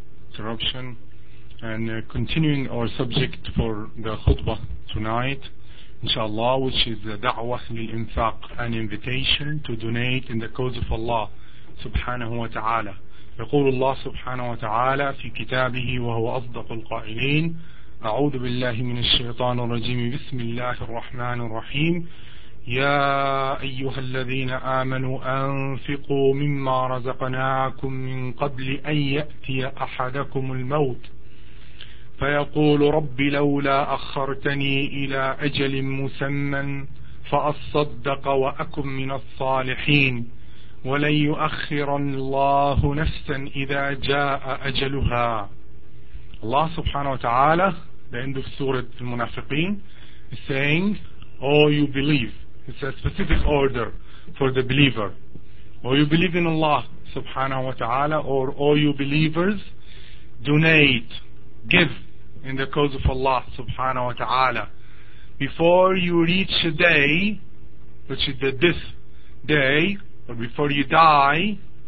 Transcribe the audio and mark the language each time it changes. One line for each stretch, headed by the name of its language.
English: introduction and continuing our subject for the khutbah tonight, inshallah, which is the da'wah lil-infaq, an invitation to donate in the cause of Allah subhanahu wa ta'ala.
Arabic: يقول الله سبحانه وتعالى في كتابه وهو أصدق القائلين أعوذ بالله من الشيطان الرجيم بسم الله الرحمن الرحيم يا أيها الذين آمنوا أنفقوا مما رزقناكم من قبل أن يأتي أحدكم الموت فيقول رب لولا أخرتني إلى أجل مسمى فأصدق وأكن من الصالحين ولن يؤخر الله نفسا إذا جاء أجلها. الله سبحانه وتعالى,
English: the end of Surah Al-Munafiqeen, is saying, O you believe, it's a specific order for the believer, O you believe in Allah subhanahu wa ta'ala, or O you believers, donate, give in the cause of Allah subhanahu wa ta'ala, before you reach a day, which is this day, or before you die,